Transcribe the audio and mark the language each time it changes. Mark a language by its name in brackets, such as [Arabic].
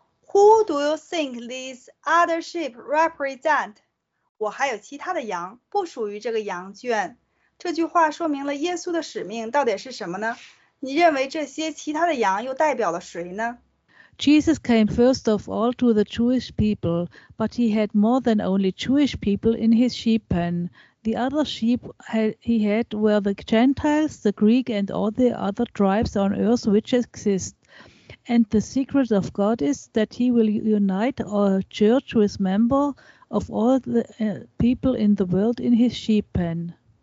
[English] Who do you think these other sheep represent? [Chinese] 我还有其他的羊，不属于这个羊圈。这句话说明了耶稣的使命到底是什么呢？你认为这些其他的羊又代表了谁呢？ [English] Jesus came first of all to the Jewish people, but he had more than only Jewish people in his sheep pen. The other sheep he had were the Gentiles, the Greek, and all the other tribes on earth which exist. And the secret of God is that he will unite our church with members of all the people in the world in his sheep pen.